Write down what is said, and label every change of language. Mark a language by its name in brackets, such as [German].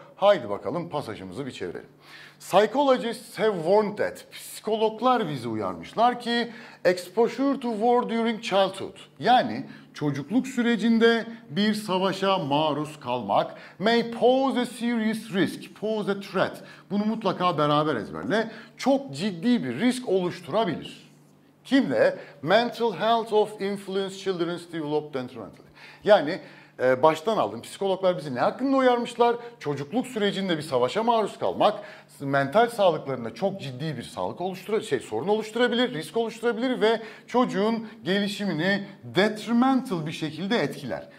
[Turkish] Haydi bakalım pasajımızı bir çevirelim. [English] Psychologists have warned that, [Turkish] psikologlar bizi uyarmışlar ki, [English] exposure to war during childhood, [Turkish] yani çocukluk sürecinde bir savaşa maruz kalmak, [English] may pose a serious risk, pose a threat, [Turkish] bunu mutlaka beraber ezberle, çok ciddi bir risk oluşturabilir. Kimle? [English] Mental health of influenced children's developed detrimentally. [Turkish] Yani baştan aldım, psikologlar bizi ne hakkında uyarmışlar? Çocukluk sürecinde bir savaşa maruz kalmak, mental sağlıklarında çok ciddi bir sorun oluşturabilir, risk oluşturabilir ve çocuğun gelişimini detrimental bir şekilde etkiler.